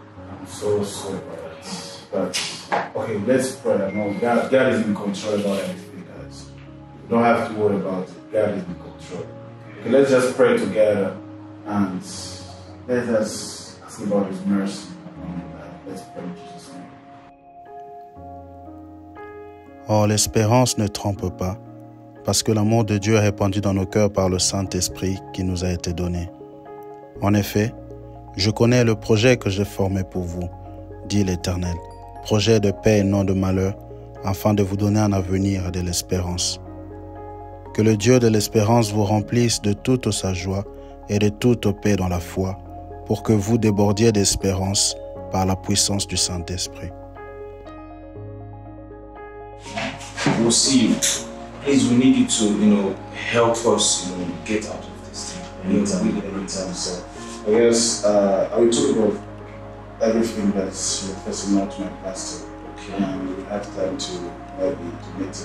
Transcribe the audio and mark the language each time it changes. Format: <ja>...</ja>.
<en>I'm so sorry about that. But, okay, let's pray. No, God is in control about everything, guys. You don't have to worry about it. God is in control. Okay, let's just pray together and let us ask about His mercy. Let's pray in Jesus' name.</en> <fr>Oh, l'espérance ne trompe pas, parce que l'amour de Dieu est répandu dans nos cœurs par le Saint-Esprit qui nous a été donné. En effet, je connais le projet que j'ai formé pour vous, dit l'Éternel, projet de paix et non de malheur, afin de vous donner un avenir et de l'espérance. Que le Dieu de l'espérance vous remplisse de toute sa joie et de toute paix dans la foi, pour que vous débordiez d'espérance par la puissance du Saint-Esprit.</fr> <en>We'll see you. Please, we need you to, you know, help us, you know, get out of this thing. Every time, sir. Yes, I will talk about everything that's facing out to my pastor. Okay. And we have time to maybe to meet.</en>